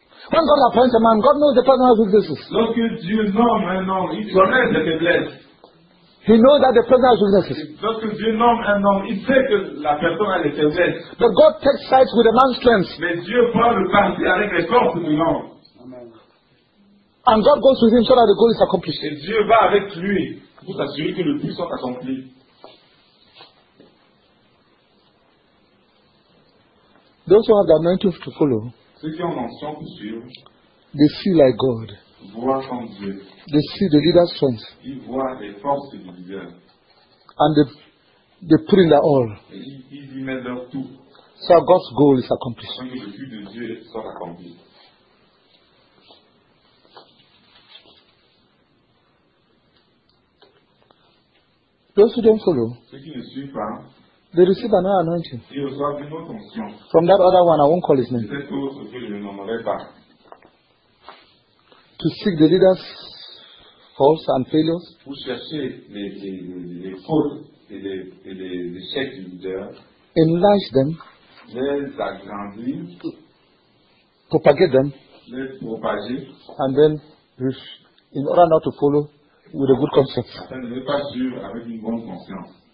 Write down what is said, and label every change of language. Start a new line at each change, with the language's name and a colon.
English: When God appoints a man, God knows the person has weaknesses.
French: Lorsque Dieu nomme un homme, il connaît les faiblesses.
English: He knows that the person has weaknesses.
French: Lorsque Dieu nomme un homme, il sait que la personne a les faiblesses.
English: But God takes sides with a man's strength.
French: Mais Dieu prend le parti avec les forces du homme.
English: And God goes with him so that the goal is accomplished.
French: Et Dieu va avec lui pour s'assurer que le but soit accompli.
English: Those who have the anointing to follow.
French: Ceux qui ont l'onction pour suivre.
English: They see like God.
French: Dieu.
English: They see the leader's strength.
French: Ils voient les forces du leader.
English: And they put in their all.
French: Et ils y mettent leur tout.
English: So God's goal is accomplished.
French: Donc le but de Dieu sera accompli.
English: Those who don't follow.
French: Ceux qui ne suivent pas.
English: They receive another anointing.
French: Ils reçoivent une autre onction.
English: From that other one, I won't call his name.
French: De cette autre, je ne le nommerai pas.
English: To seek the leader's faults and failures.
French: Pour chercher les fautes et les échecs du leader.
English: Enlarge them.
French: Les agrandir.
English: Propagate them.
French: Les propager.
English: And then, in order not to follow with a good conscience.
French: Afin de ne pas suivre avec une bonne conscience.